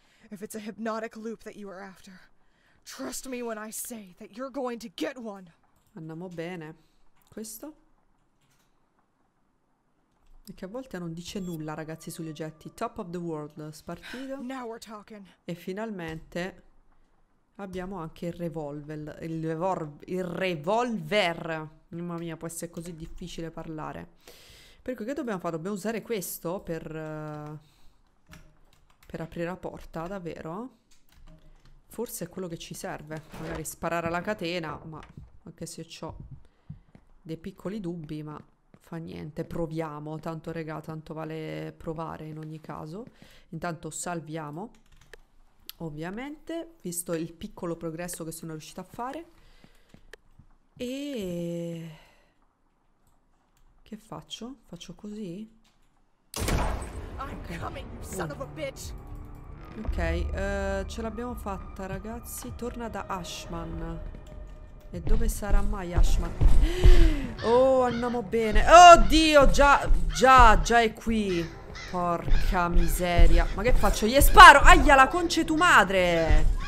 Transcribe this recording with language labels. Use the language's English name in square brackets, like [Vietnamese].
[English] If it's a hypnotic loop that you are after, trust me when I say that you're going to get one. [Italian] Andiamo bene. Questo? E che a volte non dice nulla, ragazzi, sugli oggetti. [English] Top of the world. [Italian] Spartito. [English] Now we're talking. [Italian] E finalmente Abbiamo anche il revolver. Il revolver. Mamma mia, può essere così difficile parlare. Perché che dobbiamo fare? Dobbiamo usare questo per aprire la porta, davvero? Forse è quello che ci serve. Magari sparare alla catena, ma anche se ho dei piccoli dubbi, ma fa niente. Proviamo. Tanto, regà, tanto vale provare in ogni caso. Intanto salviamo. Ovviamente, visto il piccolo progresso che sono riuscita a fare. E che faccio? Faccio così? [English] I'm coming, you son of a bitch! [Italian] Ok, ce l'abbiamo fatta, ragazzi. Torna da Ashman. E dove sarà mai Ashman? Oh, andiamo bene. Oddio, già è qui. Porca miseria. Ma che faccio? Gli sparo! Aia, la conce tu madre!